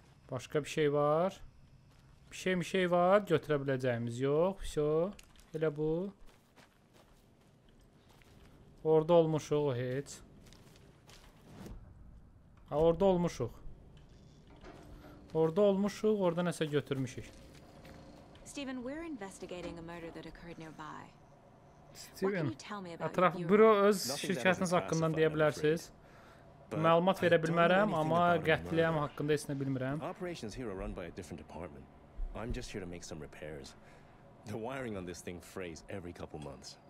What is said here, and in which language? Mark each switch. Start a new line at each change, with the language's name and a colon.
Azerbaijani: Başqa bir şey var. Bir şey var, götürə biləcəyimiz yox.
Russian: Vso,
Azerbaijani: elə bu. Orada olmuşuq o heç. Ha, orada olmuşuq. Orada olmuşuq, orada nəsə götürmüşük.
English: Steven, we're investigating a murder that occurred nearby.
Azerbaijani: Steven, ətraf, bro, öz şirkətiniz haqqından deyə bilərsiniz. Məlumat verə bilmərəm, amma qətliyəm haqqında heç nə bilmirəm.
English: Operations here are run by a different department. I'm just here to make some repairs. The wiring on this thing frays every couple months.